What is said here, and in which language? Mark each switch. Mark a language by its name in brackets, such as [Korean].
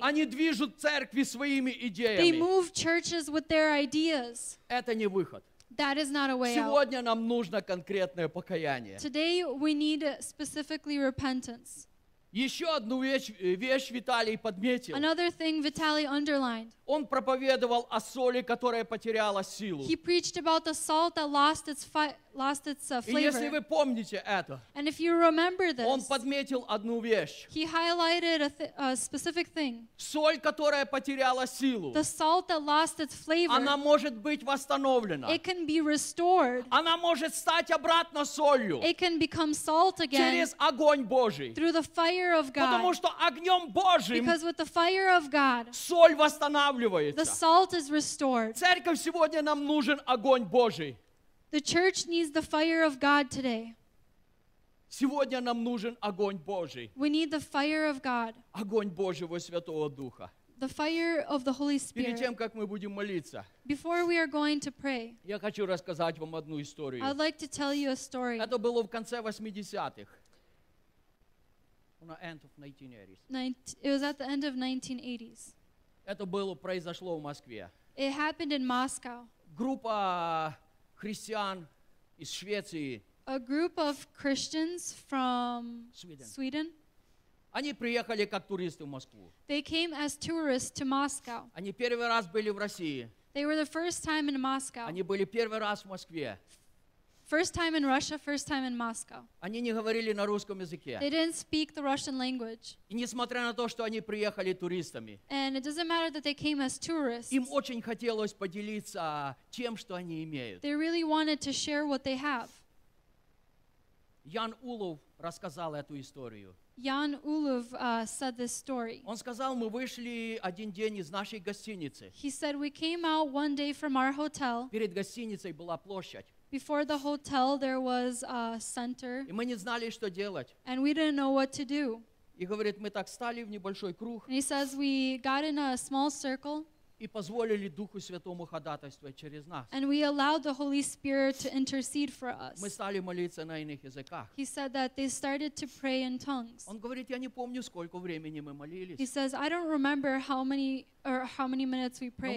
[Russian] Они движут церкви своими идеями. [English] They move churches with their ideas. [Russian] Это не выход. [English] That is not a way out. [Russian] Сегодня нам нужно конкретное покаяние. [English] Today we need specifically repentance. [Russian] Еще одну вещь Виталий подметил. [English] Another thing Vitaly underlined. [Russian] Он проповедовал о соли, которая потеряла силу. [English] He preached about the salt that lost its flavor. [Russian] И если вы помните это, [English] and if you remember this, [Russian] он подметил одну вещь. [English] He highlighted a specific thing. [Russian] Соль, которая потеряла силу. [English] The salt that lost its flavor. [Russian] Она может быть восстановлена. [English] It can be restored. [Russian] Она может стать обратно солью. [English] It can become salt again. [Russian] Через огонь Божий. [English] Through the fire of God. [Russian] Потому что огнем Божьим. [English] Because with the fire of God. [Russian] Соль восстанавливается. [English] The salt is restored. [Russian] Церковь сегодня нам нужен огонь Божий. [English] The church needs the fire of God today. [Russian] Сегодня нам нужен огонь Божий. [English] We need the fire of God. [Russian] Огонь Божьего Святого Духа. [English] The fire of the Holy Spirit. [Russian] Перед тем, как мы будем молиться, [English] before we are going to pray, [Russian] я хочу рассказать вам одну историю. [English] I'd like to tell you a story. [Russian] Это было в конце 80-х. [English] On the end of 1980s. It was at the end of 1980s. [Russian] Это было произошло в Москве. [English] It happened in Moscow. [Russian] Группа христиан из Швеции. [English] A group of Christians from Sweden. [Russian] Они приехали как туристы в Москву. [English] They came as tourists to Moscow. [Russian] Они первый раз были в России. [English] They were the first time in Moscow. [Russian] Они были первый раз в Москве. [English] First time in Russia, first time in Moscow. [Russian] Они не говорили на русском языке. [English] They didn't speak the Russian language. [Russian] И несмотря на то, что они приехали туристами. [English] And it doesn't matter that they came as tourists. [Russian] Им очень хотелось поделиться тем, что они имеют. [English] They really wanted to share what they have. [Russian] Ян Улов рассказал эту историю. [English] Ян Улов said this story. [Russian] Он сказал, мы вышли один день из нашей гостиницы. [English] He said, we came out one day from our hotel. [Russian] Перед гостиницей была площадь. [English] Before the hotel, there was a center. [Russian] И мы не знали, что делать. [English] And we didn't know what to do. [Russian] И говорит, мы так стали в небольшой круг. [English] And he says, we got in a small circle. [Russian] И позволили Духу Святому ходатайствовать через нас. [English] And we allowed the Holy Spirit to intercede for us. [Russian] Мы стали молиться на иных языках. [English] He said that they started to pray in tongues. [Russian] Он говорит, я не помню, сколько времени мы молились. [English] He says, I don't remember how many minutes we prayed.